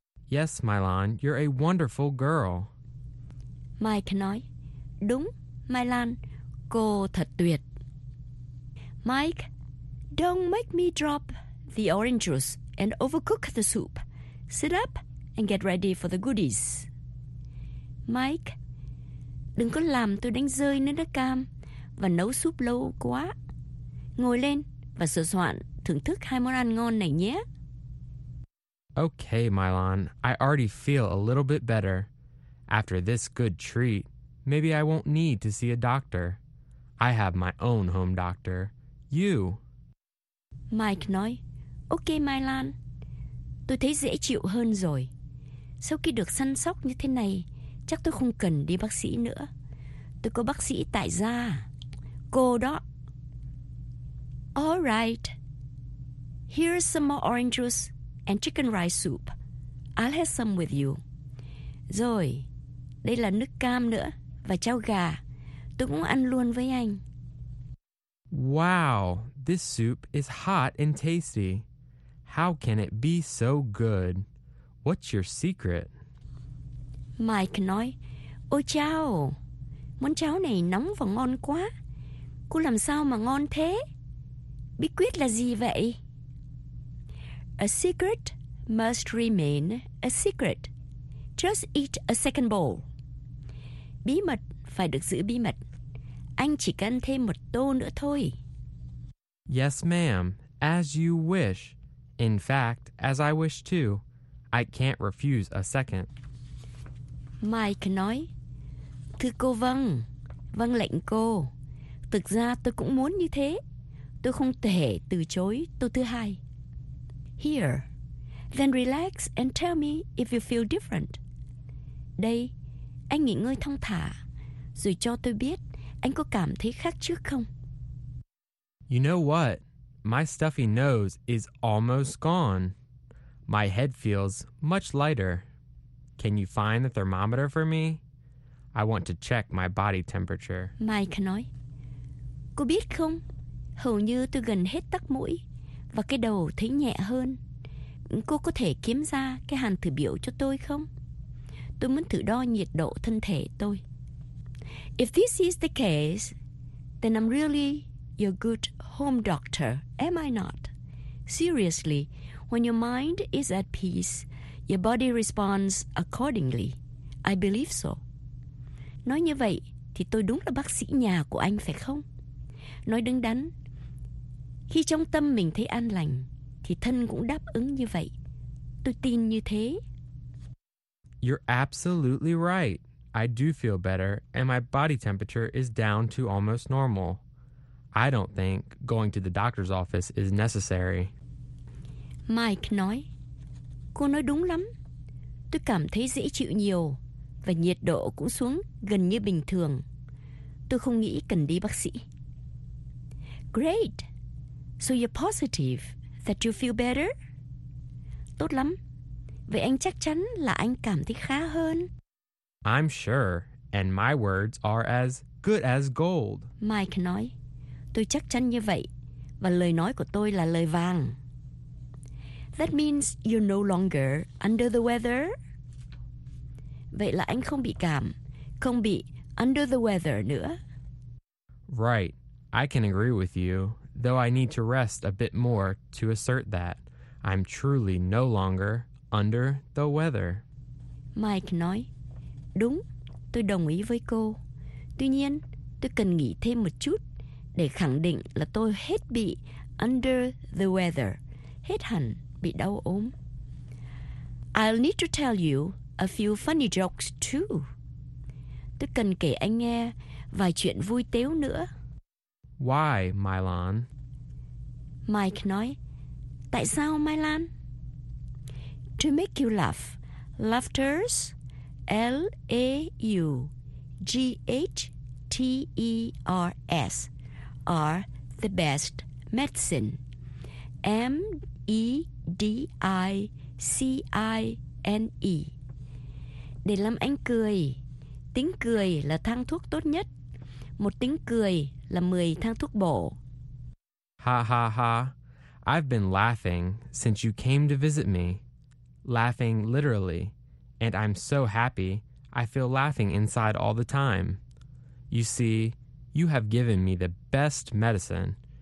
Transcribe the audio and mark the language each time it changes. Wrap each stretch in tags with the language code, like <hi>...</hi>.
<en>Yes, Mylon, you're a wonderful girl.</en> <vi>Mike nói, đúng, Mylon, cô thật tuyệt.</vi> <en>Mike, don't make me drop the orange juice and overcook the soup. Sit up and get ready for the goodies.</en> <vi>Mike, đừng có làm tôi đánh rơi nước cam và nấu súp lâu quá. Ngồi lên và sửa soạn thưởng thức hai món ăn ngon này nhé.</vi> <en>Okay, Mylon, I already feel a little bit better. After this good treat, maybe I won't need to see a doctor. I have my own home doctor. You.</en> <vi>Mike nói, ok Mylon, tôi thấy dễ chịu hơn rồi. Sau khi được săn sóc như thế này, chắc tôi không cần đi bác sĩ nữa. Tôi có bác sĩ tại gia, cô đó.</vi> <en>Alright, here's some more orange juice and chicken rice soup. I'll have some with you.</en> <vi>Rồi, đây là nước cam nữa và cháo gà. Tôi cũng ăn luôn với anh.</vi> <en>Wow, this soup is hot and tasty. How can it be so good? What's your secret?</en> <vi>Mike nói, ôi chao, món cháo này nóng và ngon quá. Cô làm sao mà ngon thế? Bí quyết là gì vậy?</vi> <en>A secret must remain a secret. Just eat a second bowl.</en> <vi>Bí mật phải được giữ bí mật. Anh chỉ cần thêm một tô nữa thôi.</vi> <en>Yes, ma'am. As you wish. In fact, as I wish too. I can't refuse a second.</en> <vi>Mike nói, thưa cô vâng, vâng lệnh cô. Thực ra tôi cũng muốn như thế. Tôi không thể từ chối tô thứ hai.</vi> <en>Here. Then relax and tell me if you feel different.</en> <vi>Đây, anh nghỉ ngơi thong thả, rồi cho tôi biết Anh có cảm thấy khác trước không?</vi> <en>You know what? My stuffy nose is almost gone. My head feels much lighter. Can you find the thermometer for me? I want to check my body temperature.</en> <vi>Mike nói, cô biết không? Hầu như tôi gần hết tắc mũi và cái đầu thấy nhẹ hơn. Cô có thể kiếm ra cái hàn thử biểu cho tôi không? Tôi muốn thử đo nhiệt độ thân thể tôi.</vi> <en>If this is the case, then I'm really your good home doctor, am I not? Seriously, when your mind is at peace, your body responds accordingly. I believe so.</en> <vi>Nói như vậy thì tôi đúng là bác sĩ nhà của anh phải không? Nói đứng đắn, khi trong tâm mình thấy an lành thì thân cũng đáp ứng như vậy. Tôi tin như thế.</vi> <en>You're absolutely right. I do feel better and my body temperature is down to almost normal. I don't think going to the doctor's office is necessary.</en> <vi>Mike nói, cô nói đúng lắm. Tôi cảm thấy dễ chịu nhiều và nhiệt độ cũng xuống gần như bình thường. Tôi không nghĩ cần đi bác sĩ.</vi> <en>Great. So you're positive that you feel better?</en> <vi>Tốt lắm. Vậy anh chắc chắn là anh cảm thấy khá hơn.</vi> <en>I'm sure, and my words are as good as gold.</en> <vi>Mike nói, tôi chắc chắn như vậy, và lời nói của tôi là lời vàng.</vi> <en>That means you're no longer under the weather.</en> <vi>Vậy là anh không bị cảm, không bị</vi> <en>under the weather</en> <vi>nữa.</vi> <en>Right, I can agree with you, though I need to rest a bit more to assert that. I'm truly no longer under the weather.</en> <vi>Mike nói, đúng, tôi đồng ý với cô. Tuy nhiên, tôi cần nghỉ thêm một chút để khẳng định là tôi hết bị</vi> <en>under the weather,</en> <vi>hết hẳn bị đau ốm.</vi> <en>I'll need to tell you a few funny jokes too.</en> <vi>Tôi cần kể anh nghe vài chuyện vui tếu nữa.</vi> <en>Why, Mylan?</en> <vi>Mike nói, tại sao, Mylan?</vi> <en>To make you laugh. Laughters, LAUGHTERS, are the best medicine. MEDICINE.</en> <vi>Để làm anh cười, tiếng cười là thang thuốc tốt nhất. Một tiếng cười là 10 thang thuốc bổ. Ha ha ha.</vi> <en>I've been laughing since you came to visit me. Laughing literally. And I'm so happy, I feel laughing inside all the time. You see, you have given me the best medicine.</en>